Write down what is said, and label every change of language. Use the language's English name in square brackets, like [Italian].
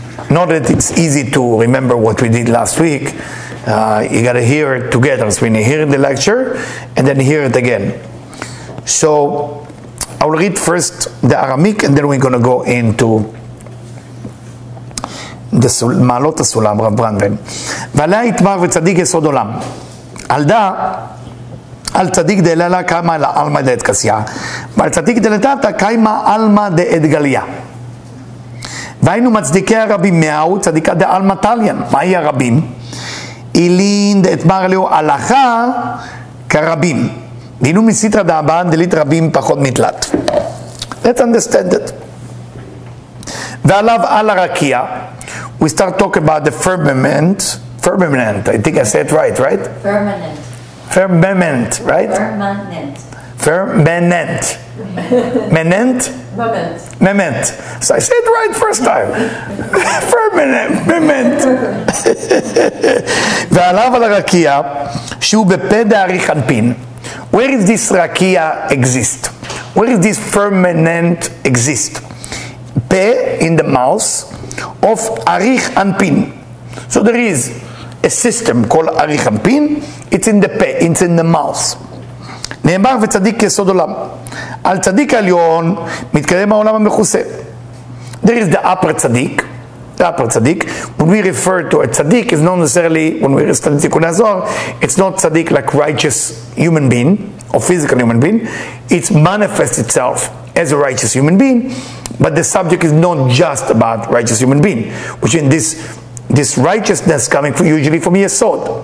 [English] Not that it's easy to remember what we did last week. You got to hear it together. So when you hear the lecture and then hear it again. So I will read first the Aramaic and then we're going to go into the Ma'alot HaSulam, Rav Branden. [Aramaic] V'alei itmar v'tzadik yesod olam. Alda על צדיק דללה קיימה אל אלמה דה את קסיה, ועל צדיק דלתתה קיימה אלמה דה את גליה. והיינו מצדיקי הרבים מהו, צדיקה דה אלמה טליאן, מהי הרבים? אילין דה את מר לו הלכה כרבים. והינו מסיטרה דה הבן דלית רבים פחות מתלת. [English] Let's understand it. [Hebrew] ועליו על הרקיע, [English] we start talking about the firmament, firmament, I think I said it right, right? Firmament. Firmament, right? Firmament. Firmament. Menent? Moment. Moment. So I said it right first time. Firmament. Moment. [Hebrew] ועליו על הרקיע, שהוא בפד הריחנפין. [English] Where is this rakia exist? Where is this firmament exist? Pe in the mouth of arichanpin. So there is a system called arichanpin. It's in the pe, it's in the mouth. [Hebrew] נאמר וצדיק כסוד עולם. על צדיק העליון מתקדם העולם המחוסה. [English] There is the upper צדיק. The upper צדיק. When we refer to a צדיק, it's not necessarily, when we refer to תיקוני הזוהר, it's not צדיק like righteous human being, or physical human being. It manifests itself as a righteous human being, but the subject is not just about righteous human being, which in this righteousness coming from, usually from Yesod.